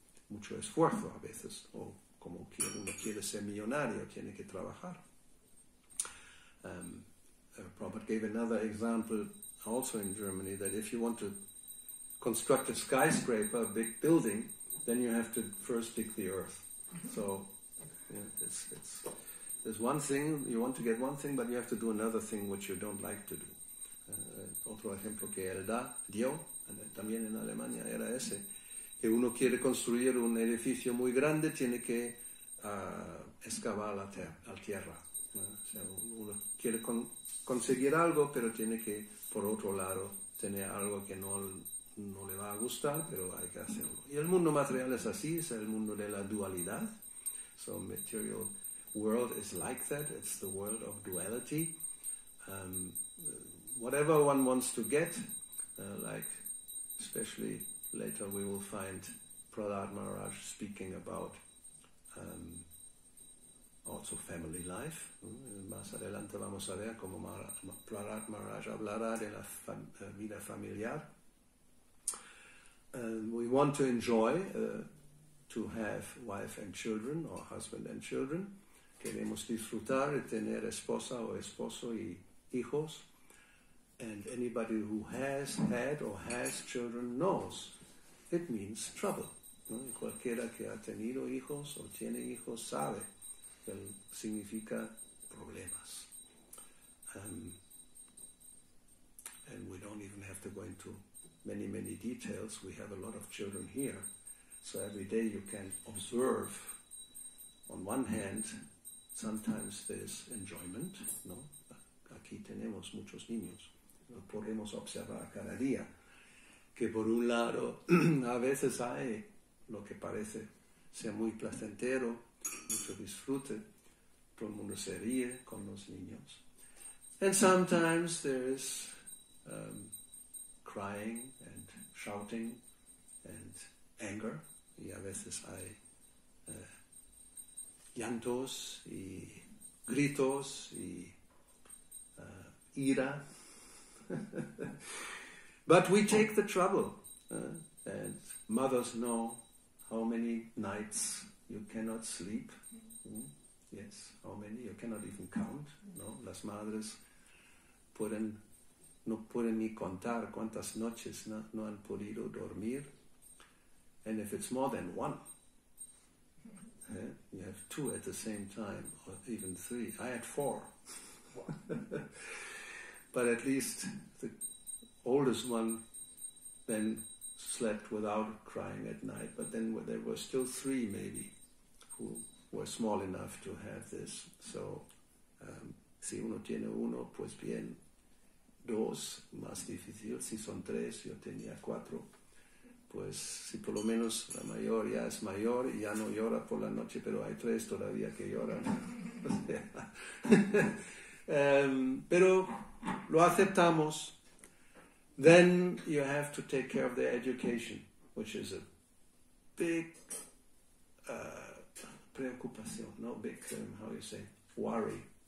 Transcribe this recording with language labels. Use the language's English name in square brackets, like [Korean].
[Spanish] Mucho esfuerzo a veces, o como uno quiere ser millonario, tiene que trabajar. [English] Prabhupada gave another example also in Germany, that if you want to construct a skyscraper, a big building, then you have to first dig the earth. So yeah, it's there's one thing, you want to get one thing, but you have to do another thing which you don't like to do. [Spanish] Otro ejemplo que él da, dio, también en Alemania, era ese, que uno quiere construir un edificio muy grande, tiene que excavar la tierra. Uno quiere conseguir algo, pero tiene que, por otro lado, tener algo que no le va a gustar, pero hay que hacerlo. Y el mundo material es así, es el mundo de la dualidad. [English] So material world is like that, it's the world of duality. Whatever one wants to get, like especially later we will find Prahlad Maharaj speaking about also family life. [Spanish] Más adelante vamos a ver cómo Prahlad Maharaj hablará de la vida familiar. [English] We want to enjoy to have wife and children, or husband and children. [Spanish] Queremos disfrutar de tener esposa o esposo y hijos. [English] And anybody who has had or has children knows it means trouble. [Spanish] ¿No? Cualquiera que ha tenido hijos o tiene hijos sabe que significa problemas. [English] And we don't even have to go into many, many details. We have a lot of children here. So every day you can observe, on one hand, sometimes there's enjoyment. [Spanish] ¿No? Aquí tenemos muchos niños. Lo podemos observar cada día, que por un lado a veces hay lo que parece ser muy placentero, mucho disfrute, todo el mundo se ríe con los niños. [English] And sometimes there is crying and shouting and anger, [Spanish] y a veces hay llantos y gritos y ira. [English] But we take the trouble, and mothers know how many nights you cannot sleep. Yes, how many? You cannot even count. [Spanish] No, las madres no pueden ni contar cuántas noches no han podido dormir. [English] And if it's more than one, you have two at the same time, or even three. I had four. But at least the oldest one then slept without crying at night, but then there were still three maybe who were small enough to have this. [Spanish] So, si uno tiene uno, pues bien, dos, más difícil, si son tres, yo tenía cuatro. Pues si por lo menos la mayor ya es mayor y ya no llora por la noche, pero hay tres todavía que lloran. pero lo aceptamos. [English] Then you have to take care of their education, which is a big preocupación, not big, how you say, worry.